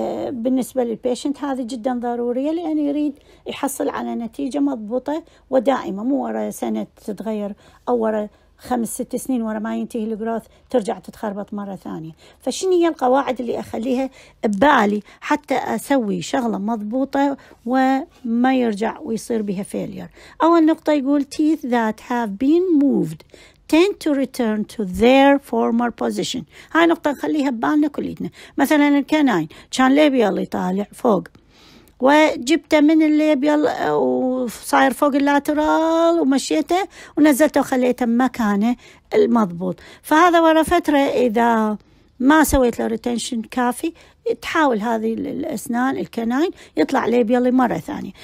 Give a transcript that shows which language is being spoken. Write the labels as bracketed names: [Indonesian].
[Arabic] بالنسبة للpatient هذه جدا ضرورية لأن يريد يحصل على نتيجة مضبوطة ودائمة، مو ورا سنة تتغير أو ورا 5-6 سنين ورا ما ينتهي الجروث ترجع تتخربط مرة ثانية. فشنو هي القواعد اللي أخليها ببالي حتى أسوي شغلة مضبوطة وما يرجع ويصير بها فيلير. أول نقطة يقول [English] teeth that have been moved tend to return to their former position. [Arabic] هاي نقطة نخليها ببالنا كلنا. مثلا الكناين كان ليبيا اللي طالع فوق وجبته من الليبيال وصاير فوق اللاترال ومشيته ونزلته وخليته مكانه المضبوط، فهذا ورا فترة إذا ما سويت له ريتينشن كافي تحاول هذه الأسنان الكناين يطلع ليبيالي مرة ثانية.